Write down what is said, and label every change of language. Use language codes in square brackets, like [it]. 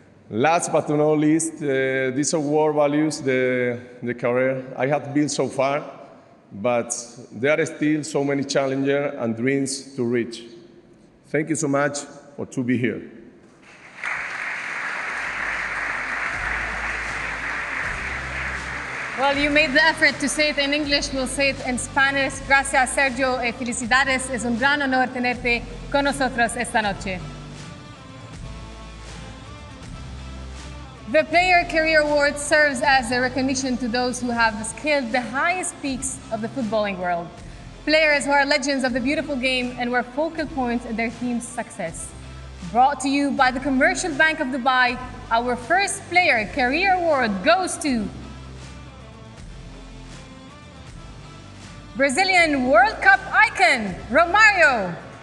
[en] Last but not least, this award values the career I have built so far, but there are still so many challenges and dreams to reach. Thank you so much for to be here. Well, you made the effort to say it in English. We'll say it in Spanish. [es] Gracias, Sergio. Felicidades. Es un gran honor tenerte con nosotros esta noche. [en] The Player Career Award serves as a recognition to those who have scaled the highest peaks of the footballing world. Players who are legends of the beautiful game and were focal points in their team's success. Brought to you by the Commercial Bank of Dubai, our first Player Career Award goes to Brazilian World Cup icon, Romário.